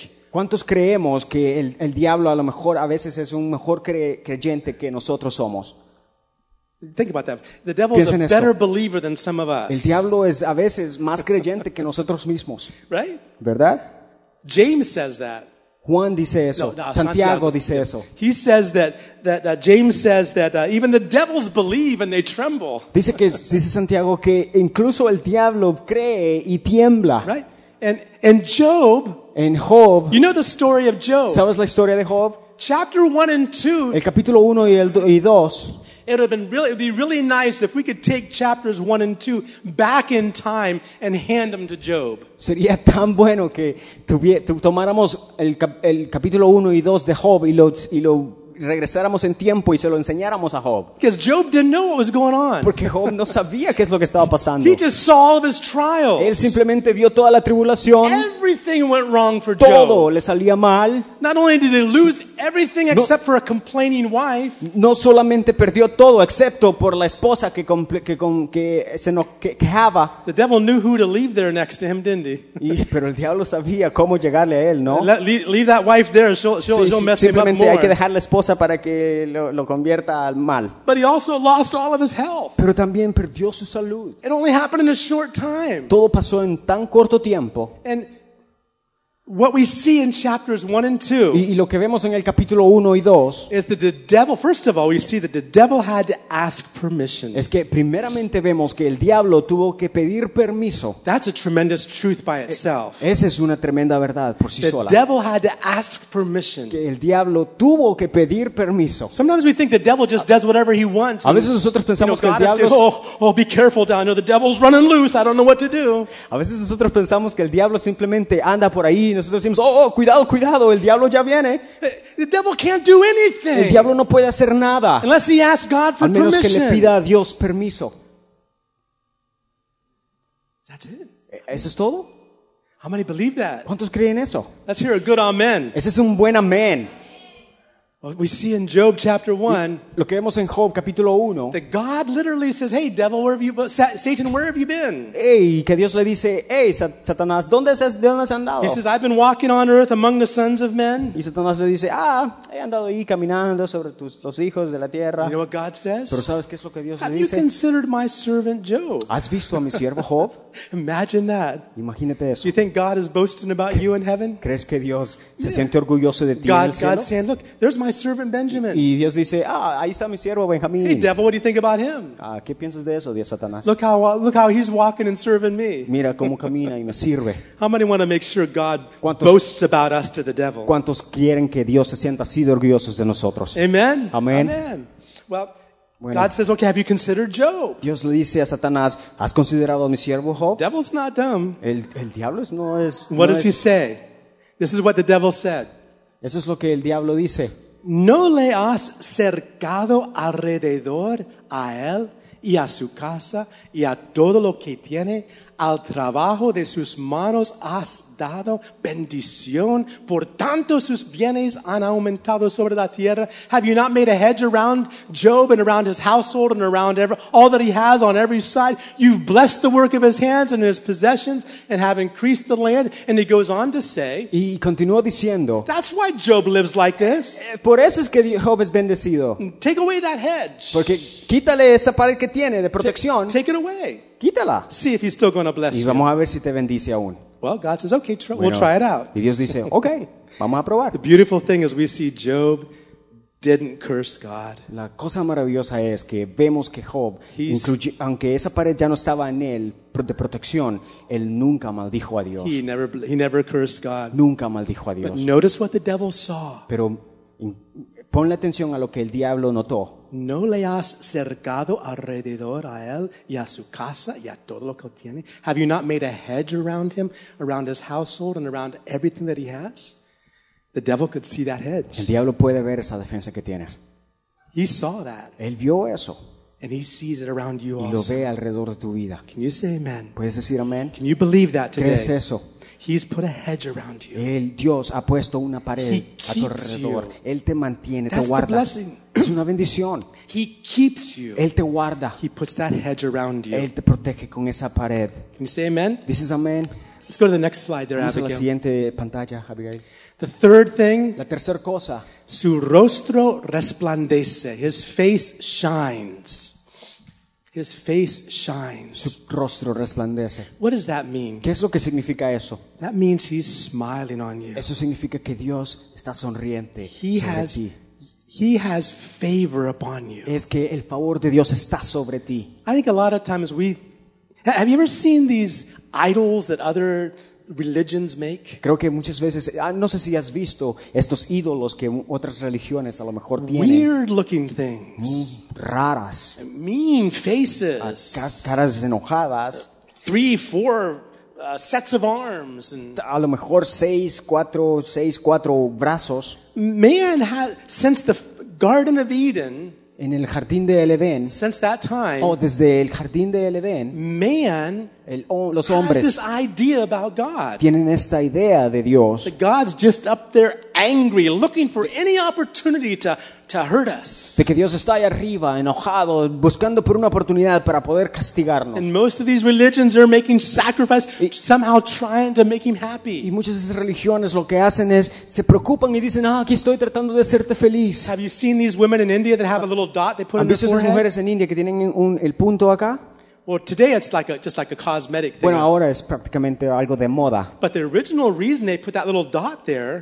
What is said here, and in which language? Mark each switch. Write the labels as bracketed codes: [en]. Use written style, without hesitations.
[es] ¿Cuántos creemos que el diablo a lo mejor a veces es un mejor creyente que nosotros somos? [en] Think about that. The devil is a better believer than some of us. [es] El diablo es a veces más creyente que nosotros mismos. [en] Right? [es] ¿Verdad? [en] James says that. [es] Juan dice eso. No, Santiago dice eso. [en] He says that James says that even the devils believe and they tremble. [es] Dice Santiago que incluso el diablo cree y tiembla. [en] Right? And Job. [es] En Job. [en] You know the story of Job. [es] ¿Sabes la historia de Job? [en] Chapter 1 and 2. [es] El capítulo 1 y 2. [en] It would have been really, it'd be really nice if we could take chapters 1 and 2 back in time and hand them to Job. [es] Sería tan bueno que tomáramos el capítulo 1 y 2 de Job y lo regresáramos en tiempo y se lo enseñáramos a Job. [en] Because Job didn't know what was going on. [es] Porque Job no sabía qué es lo que estaba pasando. [en] He just saw all of his trials. [es] Él simplemente vio toda la tribulación. [en] Everything went wrong for [es] Job. Todo le salía mal. [en] Not only did he lose everything except for a complaining wife. [es] No solamente perdió todo excepto por la esposa que se quejaba. [en] The devil knew who to leave there next to him, didn't he? [es] Y pero el diablo sabía cómo llegarle a él, ¿no? [en] Leave that wife there, she'll mess him up more. [es] Simplemente hay que dejar la esposa para que lo convierta al mal. [en] But he also lost all of his health. [es] Pero también perdió su salud. [en] It only happened in a short time. [es] Todo pasó en tan corto tiempo. [en] And what we see in chapters 1 and 2 [es] y lo que vemos en el capítulo 1 y 2 [en] is that the devil, first of all, we see that the devil had to ask permission. [es] Es que primeramente vemos que el diablo tuvo que pedir permiso. [en] That's a tremendous truth by itself. [es] Esa es una tremenda verdad por sí [en] the [es] sola. [en] The devil had to ask permission. [es] Que el diablo tuvo que pedir permiso. [en] Sometimes we think the devil just does whatever he wants. [es] A veces nosotros pensamos que el diablo [en] says, oh, be careful, Dan. I know the devil's running loose. I don't know what to do. [es] A veces nosotros pensamos que el diablo simplemente anda por ahí. Y nosotros decimos, oh, cuidado, el diablo ya viene. [en] The devil can't do anything. [es] El diablo no puede hacer nada. [en] Unless he asks God for [es] al menos [en] permission. [es] Que le pida a Dios permiso. [en] That's it. [es] ¿Eso es todo? [en] How many believe that? [es] ¿Cuántos creen eso? [en] Let's hear a good amen. [es] Ese es un buen amén. [en] We see in Job chapter 1, [es] lo que vemos en Job capítulo 1, [en] that God literally says, "Hey devil, where have you been? Satan, where have you been?" [es] Hey, que Dios le dice, "Hey Satanás, ¿dónde has andado?" [en] He says, "I've been walking on earth among the sons of men." [es] Y Satanás le dice, "Ah, he andado ahí caminando sobre los hijos de la tierra." [en] You know what God says? [es] Pero ¿sabes qué es lo que Dios le dice? [en] "Have you considered my servant Job?" [es] ¿Has visto a mi siervo Job? [en] Imagine that. [es] Imagínate eso. [en] Do you think God is boasting about you in heaven? [es] ¿Crees que Dios se siente orgulloso de ti [en] God, [es] en el cielo? [en] God saying, "Look, there's my servant Benjamin." [es] Y Dios dice, "Ah, ahí está mi siervo Benjamín." [en] Hey devil, what do you think about him? [es] Ah, ¿qué piensas de eso, Dios Satanás? [en] Look how he's walking and serving me. [es] Mira cómo camina y me sirve. [en] How many want to make sure God boasts about us to the devil? [es] ¿Cuántos quieren que Dios se sienta así de orgullosos de nosotros? [en] Amen. [es] Amén. [en] Amen. Well, bueno, God says, "Okay, have you considered Job?" [es] Dios le dice a Satanás, "¿Has considerado a mi siervo Job?" [en] Devil's not dumb. [es] El diablo es no es. [en] What does [es] es... [en] he say? This is what the devil said. [es] Eso es lo que el diablo dice. ¿No le has cercado alrededor a él y a su casa y a todo lo que tiene? Al trabajo de sus manos has dado bendición, por tanto sus bienes han aumentado sobre la tierra. [en] Have you not made a hedge around Job and around his household and around all that he has on every side? You've blessed the work of his hands and his possessions and have increased the land. And he goes on to say, [es] y continuó diciendo, [en] that's why Job lives like this. [es] Por eso es que Job es bendecido. [en] Take away that hedge. [es] Porque quítale esa pared que tiene de protección. [en] Take it away. [es] Quítala. [en] See if he's still going to bless [es] y vamos a ver si te bendice aún. [en] Well, God says, okay, we'll try it out. [es] Y Dios dice, okay, vamos a probar. [en] The beautiful thing is we see Job didn't curse God. [es] La cosa maravillosa es que vemos que Job, aunque esa pared ya no estaba en él de protección, él nunca maldijo a Dios. [en] He never cursed God. [es] Nunca maldijo a Dios. [en] But notice what the devil saw. [es] Pero ponle atención a lo que el diablo notó. ¿No le has cercado alrededor a él y a su casa y a todo lo que tiene? [en] Have you not made a hedge around him, around his household and around everything that he has? The devil could see that hedge. [es] El diablo puede ver esa defensa que tienes. [en] He saw that. [es] Él vio eso. [en] And he sees it around you [es] also. Y lo ve alrededor de tu vida. [en] Can you say amen? [es] ¿Puedes decir amén? [en] Can you believe that today? [es] ¿Crees eso? [en] He's put a hedge around you. [es] El Dios ha puesto una pared a tu alrededor. [en] You. [es] Él te mantiene, [en] that's [es] te guarda. [en] The blessing. [es] Es una bendición. [en] He keeps you. [es] Él te guarda. [en] He puts that hedge around you. [es] Él te protege con esa pared. [en] Can you say amen? [es] Dices amén. [en] Let's go to the next slide there, Abigail. [es] La siguiente pantalla, Abigail. [en] The third thing. [es] La tercera cosa. Su rostro resplandece. [en] His face shines. His face shines. [es] Su rostro resplandece. [en] What does that mean? [es] ¿Qué es lo que significa eso? [en] That means he's smiling on you. [es] Eso significa que Dios está sonriente [en] he [es] sobre [en] has, [es] ti. [en] He has favor upon you. [es] Es que el favor de Dios está sobre ti. [en] I think a lot of times have you ever seen these idols that other religions make? [es] Creo que muchas veces, no sé si has visto estos ídolos que otras religiones a lo mejor tienen. [en] Weird looking things. [es] Raras. [en] Mean faces. [es] Caras enojadas. [en] Three, four sets of arms. [es] A lo mejor seis, cuatro brazos. [en] Man has, since the Garden of Eden, [es] en el jardín del Edén, [en] since that time, [es] desde el jardín del Edén, [en] man, [es] los hombres [en] has this idea about God. [es] Tienen esta idea de Dios. [en] That God's just up there angry, looking for any opportunity to hurt us. [es] De que Dios está allá arriba, enojado, buscando por una oportunidad para poder castigarnos. [en] And most of these religions are making sacrifice, somehow trying to make him happy. [es] Y muchas de esas religiones lo que hacen es se preocupan y dicen, ah, aquí estoy tratando de hacerte feliz. [en] Have you seen these women in India that have a little dot they put on their forehead? [es] ¿Han visto esas mujeres en India que tienen el punto acá? [en] Well, today it's like just like a cosmetic thing. [es] Bueno, ahora es prácticamente algo de moda. [en] But the original reason they put that little dot there.